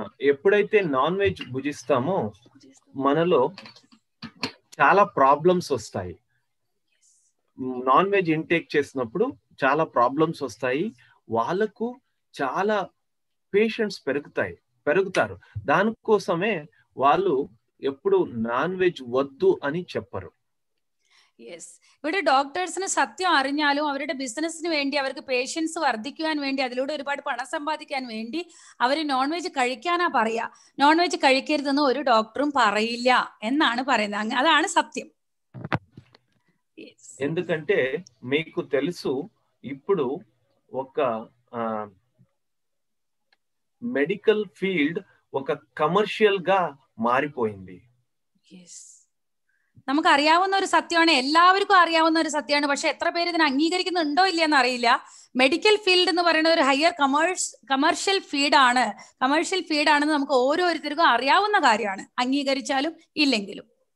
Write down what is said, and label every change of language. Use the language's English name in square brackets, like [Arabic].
[Telugu] ఎప్పుడైతే non veg భుజిస్తామో మనలో చాలా ప్రాబ్లమ్స్ వస్తాయి. నాన్ వెజ్ ఇంటేక్ చేసినప్పుడు చాలా ప్రాబ్లమ్స్ వస్తాయి. వాళ్ళకు చాలా పేషెంట్స్ పెరుగుతారు. దానికోసమే వాళ్ళు ఎప్పుడు నాన్ వెజ్ వద్దు అని చెప్పరు. [English] Yes. [Malayalam] ഇവിടെ ഡോക്ടേഴ്സിനെ സത്യം അറിഞ്ഞാലും അവരുടെ ബിസിനസ്സിന് വേണ്ടി, അവർക്ക് പേഷ്യൻസ് വർദ്ധിക്കുവാൻ വേണ്ടി, അതിലൂടെ ഒരുപാട് പണം സമ്പാദിക്കാൻ വേണ്ടി അവർ നോൺ വെജ് കഴിക്കാനാ പറയുക. നോൺ വെജ് കഴിക്കരുതെന്ന് ഒരു ഡോക്ടറും പറയില്ല എന്നാണ് പറയുന്നത്. അതാണ് സത്യം. [Telugu] ఎందుకంటే మీకు తెలుసు ఇప్పుడు ఒక మెడికల్ ఫీల్డ్ ఒక కమర్షియల్ గా మారిపోయింది [Malayalam] നമുക്ക് അറിയാവുന്ന ഒരു സത്യമാണ് എല്ലാവർക്കും അറിയാവുന്ന ഒരു സത്യമാണ് പക്ഷെ എത്ര പേര് ഇതിനെ അംഗീകരിക്കുന്നുണ്ടോ ഇല്ലയെന്ന് അറിയില്ല മെഡിക്കൽ ഫീൽഡ് എന്ന് പറയുന്ന ഒരു ഹയർ കമേഴ്ഷ്യൽ ഫീൽഡാണ് കമേഴ്ഷ്യൽ ഫീൽഡാണെന്ന് നമുക്ക് ഓരോരുത്തർക്കും അറിയാവുന്ന കാര്യമാണ് അംഗീകരിച്ചാലും ഇല്ലെങ്കിലും